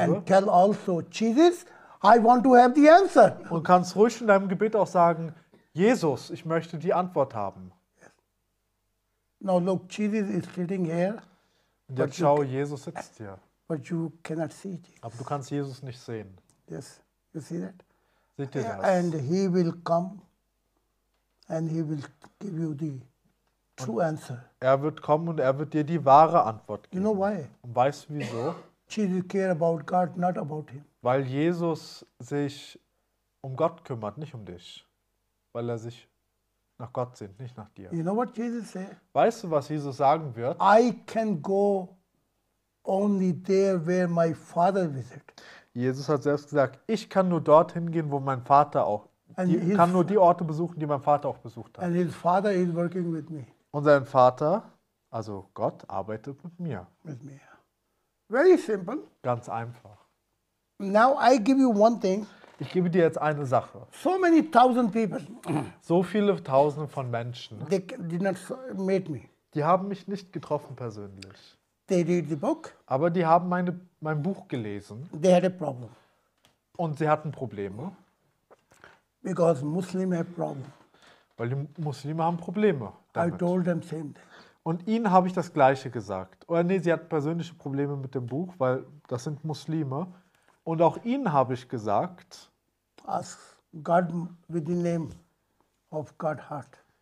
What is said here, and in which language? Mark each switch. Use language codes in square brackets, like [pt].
[en] And tell also Jesus, I want to have the answer. [de] Und kannst ruhig in deinem Gebet auch sagen, Jesus, ich möchte die Antwort haben. [en] Yes. Now look, Jesus is sitting here. [de] Und jetzt schau, Jesus sitzt hier. [en] But you cannot see [de] Jesus. Aber du kannst Jesus nicht sehen. [en] Yes, you see that? [de] Seht ihr das? [en] And he will come and he will give you the true answer. [de] Er wird kommen und er wird dir die wahre Antwort geben. [en] You know why? [de] Und weißt du wieso? [en] Jesus cares about God, not about him. [de] Weil Jesus sich um Gott kümmert, nicht um dich. Weil er sich nach Gott sehnt, nicht nach dir. [en] You know what Jesus said? [de] Weißt du, was Jesus sagen wird? [en] I can go only there where my father visit. [de] Jesus hat selbst gesagt, ich kann nur dorthin gehen, wo mein Vater auch, kann nur die Orte besuchen, die mein Vater auch besucht hat. [en] And his father is working with me. [de] Und sein Vater, also Gott, arbeitet mit mir. [en] With me. Very simple. [de] Ganz einfach. [en] Now I give you one thing. [de] Ich gebe dir jetzt eine Sache. [en] So many thousand people. [de] So viele Tausende von Menschen. [en] They did not meet me. [de] Die haben mich nicht getroffen persönlich. [en] They read the book. [de] Aber die haben mein Buch gelesen. [en] They had a problem. [de] Und sie hatten Probleme. [en] Because Muslim have problem. [de] Weil die Muslime haben Probleme damit. [en] I told them same thing. [de] Und ihnen habe ich das Gleiche gesagt. Oder nee, sie hatten persönliche Probleme mit dem Buch, weil das sind Muslime. Und auch ihnen habe ich gesagt, [en] ask God with the name of God heart.